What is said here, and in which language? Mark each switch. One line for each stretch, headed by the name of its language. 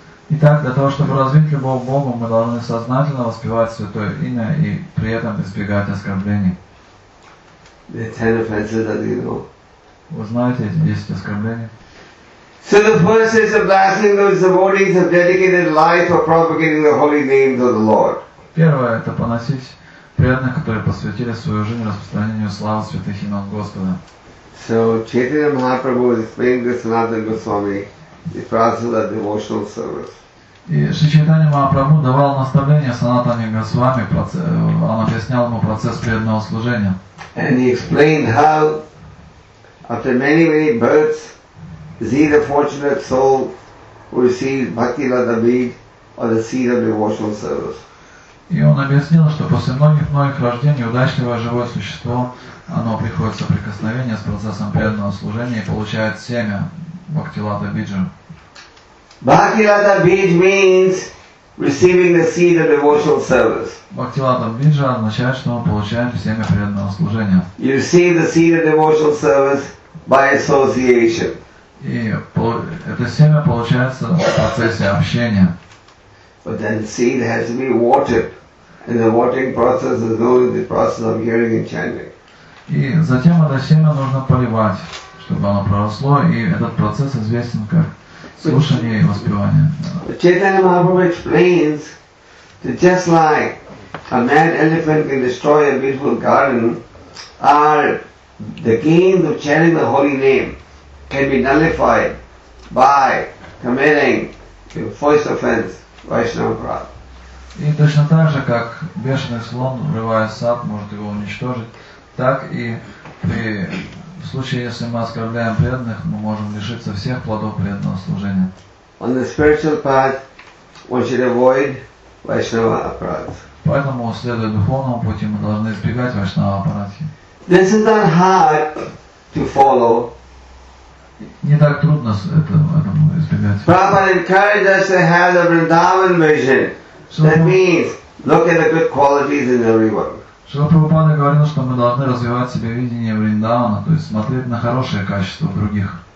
Russian: Итак, для того, чтобы развить любовь к Богу, мы должны сознательно воспевать святое имя и при этом избегать оскорблений.
English: The 10 offenses that you know.
Russian: Вы знаете эти 10 оскорблений?
English: So the first is the blasphemy of devotees have dedicated life for propagating the holy names of the Lord.
Russian: Первое — это поносить преданных, которые посвятили свою жизнь распространению славы святых имен Господа.
English: So Chaitanya Mahaprabhu is explaining this to Sanatana Goswami, the process of devotional service.
Russian: И Шри Чайтанья Махапрабху давал наставление Санатане Госвами, он объяснял ему процесс преданного служения.
English: And he explained how, after many, many births, he, the fortunate soul, who received bhakti lata bij, or the seed of devotional service.
Russian: И он объяснил, что после многих-многих рождений удачливое живое существо, оно приходит в соприкосновение с процессом преданного служения и получает семя бхакти лата биджа.
English: Bhakti lata bij means receiving the seed of devotional service.
Russian: Bhakti lata bija означает, что мы получаем семя преданного служения.
English: You receive the seed of devotional service by association.
Russian: И это семя получается в процессе общения.
English: But then the seed has to be watered, and the watering process is known as the process of hearing and chanting.
Russian: И затем это семя нужно поливать, чтобы оно проросло, и этот процесс известен как слушание и воспевание.
English: Chaitanya Mahaprabhu explains that just like a mad elephant can destroy a beautiful garden, are the gains of chanting the holy name can be nullified by committing the first offense, Vaishnava Prat.
Russian: И точно так же, как бешеный слон, врывая сад, может его уничтожить, так и при в случае, если мы оскорбляем преданных, мы можем лишиться всех плодов преданного служения.
English: On the spiritual path, one should avoid Vaishnava Aparadhi.
Russian: Поэтому, следуя духовному пути, мы должны избегать Vaishnava Aparadhi.
English: This is not hard to follow.
Russian: Не так трудно этому избегать.
English: Prabhupada encouraged us to have the Vrindavan vision. That means, look at the good qualities in everyone.
Russian: Шрила Прабхупада говорил, что мы должны развивать в себе видение Вриндавана, то есть смотреть на хорошие качества других.